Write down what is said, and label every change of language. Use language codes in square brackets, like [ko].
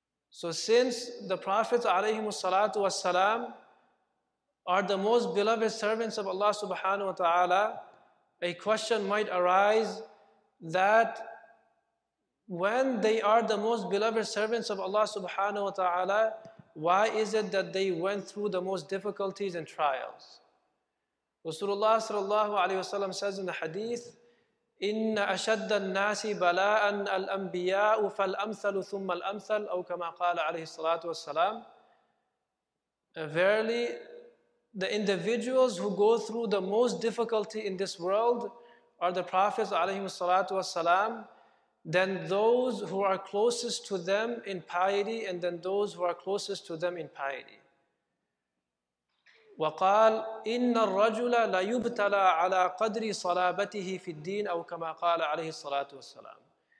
[en] So since the Prophets alayhim salatu wassalam are the most beloved servants of Allah subhanahu wa ta'ala, a question might arise that when they are the most beloved servants of Allah subhanahu wa ta'ala, why is it that they went through the most difficulties and trials? [ar] Rasulullah sallallahu alayhi wa sallam [en] says in the hadith, [ar] إن أشد الناس بلاء الأنبياء فالأمثل ثم الأمثل أو كما قال عليه الصلاة والسلام. [en] Verily, the individuals who go through the most difficulty in this world are the Prophets [ar] عليهم الصلاة والسلام, [en] then those who are closest to them in piety, and then those who are closest to them in piety. [ar] وقال إن الرجل لا يبتلى على قدر صلابته في الدين أو كما قال عليه الصلاة والسلام.